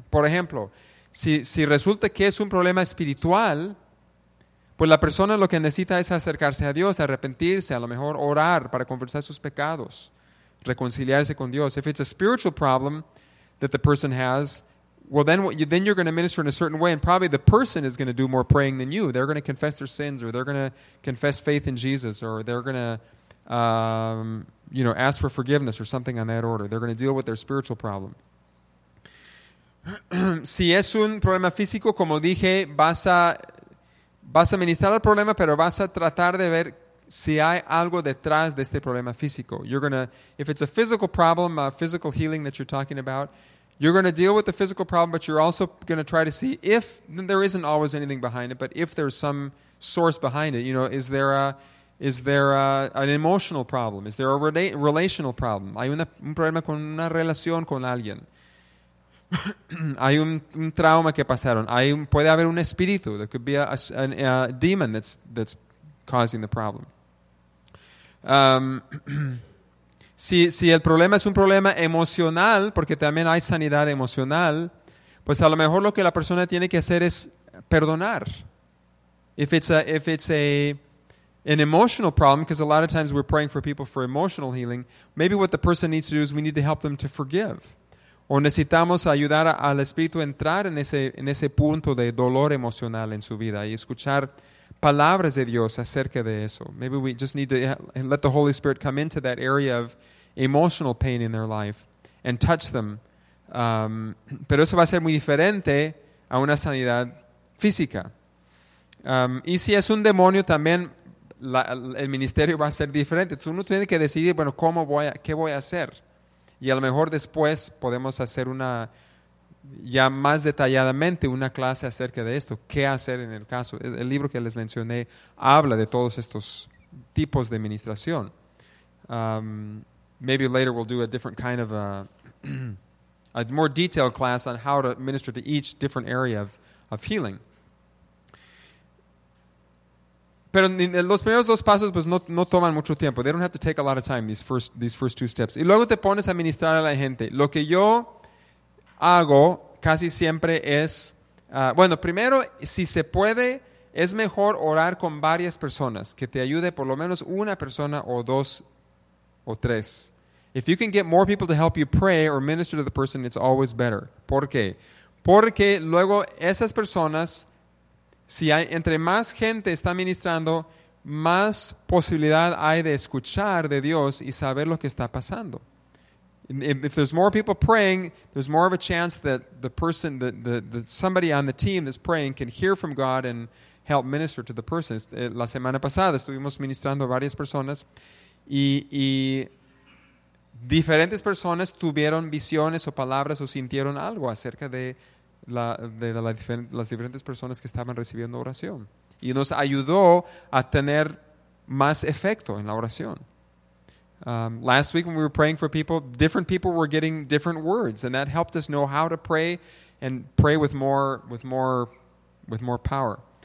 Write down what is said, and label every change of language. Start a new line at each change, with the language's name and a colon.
Spanish: Por ejemplo, si resulta que es un problema espiritual, pues la persona lo que necesita es acercarse a Dios, arrepentirse, a lo mejor orar para confesar sus pecados, reconciliarse con Dios.
English: If it's a spiritual problem that the person has, well, then you're going to minister in a certain way, and probably the person is going to do more praying than you. They're going to confess their sins, or they're going to confess faith in Jesus, or they're going to, you know, ask for forgiveness or something on that order. They're going to deal with their spiritual problem.
Spanish: Si es un problema físico, como dije, vas a ministrar al problema, pero vas a tratar de ver si hay algo detrás de este problema físico.
English: You're going to, if it's a physical problem, a physical healing that you're talking about, you're going to deal with the physical problem, but you're also going to try to see if there isn't always anything behind it, but if there's some source behind it. You know, is there an emotional problem? Is there a relational problem?
Spanish: Hay un problema con una relación con alguien. Hay un trauma que pasaron. Puede haber un espíritu.
English: There could be a demon that's causing the problem.
Spanish: Si el problema es un problema emocional, porque también hay sanidad emocional, pues a lo mejor lo que la persona tiene que hacer es perdonar.
English: If it's an emotional problem, because a lot of times we're praying for people for emotional healing, maybe what the person needs to do is we need to help them to forgive.
Spanish: O necesitamos ayudar al espíritu a entrar en ese punto de dolor emocional en su vida y escuchar palabras de Dios acerca de eso.
English: Maybe we just need to let the Holy Spirit come into that area of emotional pain in their life and touch them.
Spanish: Pero eso va a ser muy diferente a una sanidad física. Y si es un demonio, también el ministerio va a ser diferente. Uno tiene que decidir, bueno, ¿qué voy a hacer? Y a lo mejor después podemos hacer una, ya más detalladamente, una clase acerca de esto. ¿Qué hacer en el caso? El libro que les mencioné habla de todos estos tipos de ministración.
English: Maybe later we'll do a different kind of a more detailed class on how to minister to each different area of healing.
Spanish: Pero los primeros dos pasos pues no toman mucho tiempo.
English: They don't have to take a lot of time, these first two steps.
Spanish: Y luego te pones a ministrar a la gente. Lo que yo hago casi siempre es, bueno, primero, si se puede, es mejor orar con varias personas, que te ayude por lo menos una persona o dos o tres.
English: If you can get more people to help you pray or minister to the person, it's always better.
Spanish: ¿Por qué? Porque luego esas personas, si hay, entre más gente está ministrando, más posibilidad hay de escuchar de Dios y saber lo que está pasando.
English: If there's more people praying, there's more of a chance that the person, the somebody on the team that's praying can hear from God and help minister to the person.
Spanish: La semana pasada estuvimos ministrando a varias personas y diferentes personas tuvieron visiones o palabras o sintieron algo acerca de las diferentes personas que estaban recibiendo oración. Y nos ayudó a tener más efecto en la oración.
English: Last week when we were praying for people, different people were getting different words, and that helped us know how to pray and pray with more power.